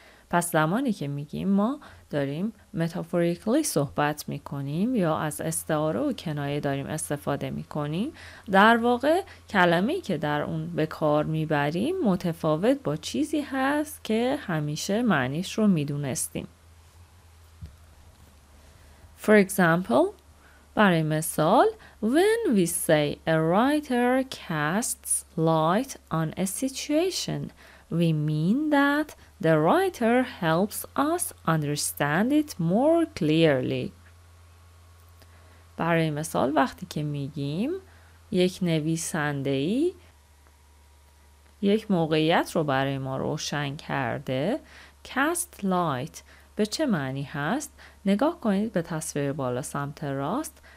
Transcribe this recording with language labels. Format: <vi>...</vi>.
<fa>پس زمانی که میگیم ما داریم متافوریکلی صحبت میکنیم یا از استعاره و کنایه داریم استفاده میکنیم، در واقع کلمه‌ای که در اون به کار میبریم متفاوت با چیزی هست که همیشه معنیش رو میدونستیم.</fa> <en>For example,</en> <fa>برای مثال,</fa> <en>when we say a writer casts light on a situation, we mean that the writer helps us understand it more clearly.</en> <fa>برای مثال وقتی که میگیم یک نویسنده‌ای یک موقعیت رو برای ما روشن کرده، cast light به چه معنی هست؟ نگاه کنید به تصویر بالا سمت راست.</fa>